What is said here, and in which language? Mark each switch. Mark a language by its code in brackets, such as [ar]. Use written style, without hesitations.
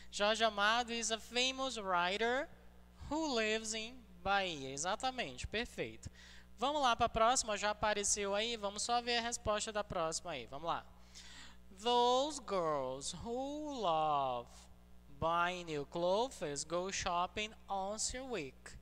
[en] Jorge Amado is a famous writer who lives in Bahia. [pt] Exatamente, perfeito. Vamos lá para a próxima, já apareceu aí. Vamos só ver a resposta da próxima aí. Vamos lá. [en] Those girls who love buying new clothes go shopping once a week.